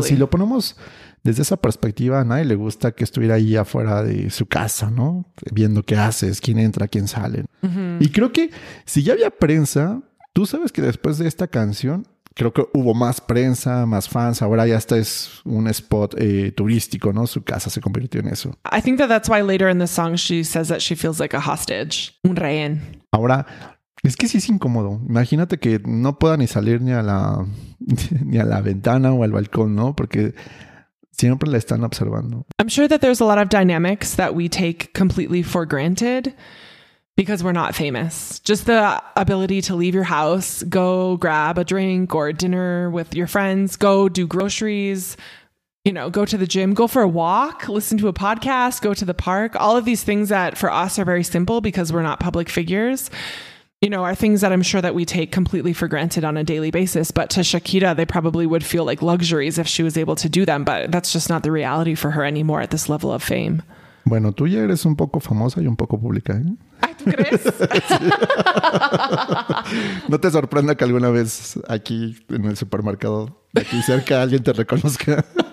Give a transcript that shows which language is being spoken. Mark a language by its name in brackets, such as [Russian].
[Spanish] O sea, si lo ponemos desde esa perspectiva, a nadie le gusta que estuviera ahí afuera de su casa, ¿no? Viendo qué haces, quién entra, quién sale. Mm-hmm. Y creo que si ya había prensa, tú sabes que después de esta canción, creo que hubo más prensa, más fans. Ahora ya hasta es un spot turístico, ¿no? Su casa se convirtió en eso. [English] I think that that's why later in the song she says that she feels like a hostage, [Spanish] un rehén. Ahora, es que sí es incómodo. Imagínate que no pueda ni salir ni a la, ni a la ventana o al balcón, ¿no? Porque siempre la están observando. [English] I'm sure that there's a lot of dynamics that we take completely for granted because we're not famous. Just the ability to leave your house, go grab a drink or dinner with your friends, go do groceries, you know, go to the gym, go for a walk, listen to a podcast, go to the park. All of these things that for us are very simple because we're not public figures, you know, are things that I'm sure that we take completely for granted on a daily basis. But to Shakira, they probably would feel like luxuries if she was able to do them. But that's just not the reality for her anymore at this level of fame. [Spanish] Bueno, tú ya eres un poco famosa y un poco pública, ¿eh? ¿Tú crees? No te sorprenda que alguna vez aquí en el supermercado de aquí cerca alguien te reconozca.